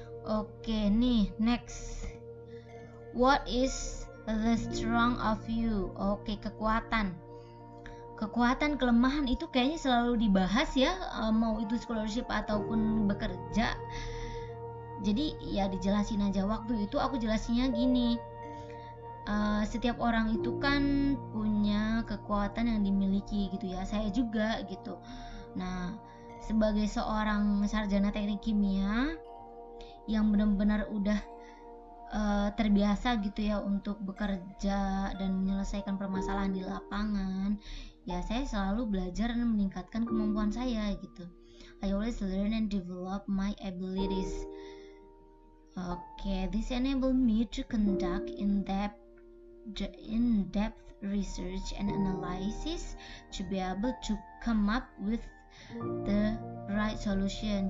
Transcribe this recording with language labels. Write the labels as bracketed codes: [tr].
[en] Oke, nih next, what is the strong of you? [id] Oke, kekuatan kelemahan itu kayaknya selalu dibahas ya, mau itu scholarship ataupun bekerja. Jadi ya dijelasin aja. Waktu itu aku jelasinnya gini, setiap orang itu kan punya kekuatan yang dimiliki gitu ya, saya juga gitu. Nah sebagai seorang sarjana teknik kimia yang benar-benar udah terbiasa gitu ya untuk bekerja dan menyelesaikan permasalahan di lapangan, ya saya selalu belajar dan meningkatkan kemampuan saya gitu. [en] I always learn and develop my abilities. Okay, this enable me to conduct in-depth research and analysis to be able to come up with the right solution.